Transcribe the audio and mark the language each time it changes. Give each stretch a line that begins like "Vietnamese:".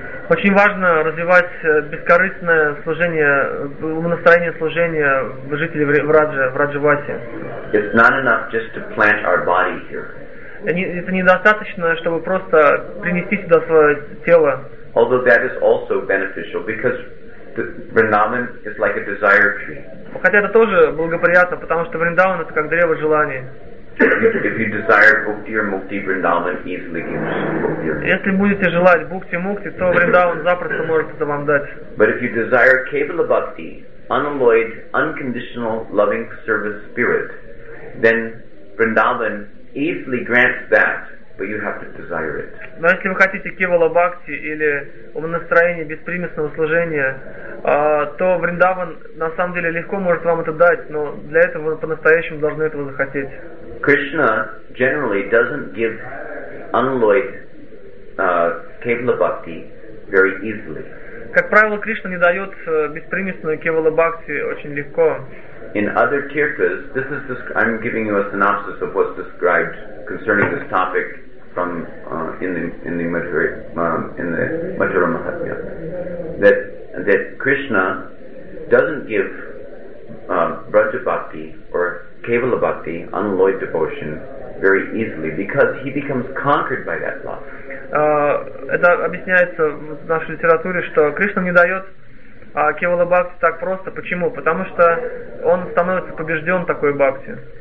Russian: Очень важно развивать бескорыстное служение, настроение служения жителей Враджа, Враджаваси.
English: It's not enough just to plant our body here.
Russian: Это недостаточно, чтобы просто принести сюда свое тело.
English: Although that is also beneficial, because Vrindavan is like a desire tree.
Russian: Хотя это тоже благоприятно, потому что Вриндаван это как древо желаний.
English: If you desire bhakti or mukti, Vrindavan easily gives bhakti.
Russian: Если будете желать бхакти мукти, то Вриндаван запросто может это вам дать.
English: But if you desire kevala bhakti, unalloyed, unconditional, loving service spirit, then Vrindavan easily grants that, but you have to desire it.
Russian: Но если вы хотите кевала бхакти или настроение беспримесного служения, то Вриндаван на самом деле легко может вам это дать, но для этого вы по-настоящему должны этого захотеть.
English: Krishna generally doesn't give unalloyed kevala bhakti very easily.
Russian: Как правило, Кришна не дает беспримесную кевала бхакти очень легко.
English: In other tirthas, this is I'm giving you a synopsis of what's described concerning this topic from in the Mathura Mahatmya, that Krishna doesn't give braja bhakti or kevala bhakti, unalloyed devotion, very easily, because he becomes conquered by that love.
Russian: Это объясняется в нашей литературе, что Кришна не дает кевала бхакти так просто. Почему? Потому что он становится побежден такой бхакти.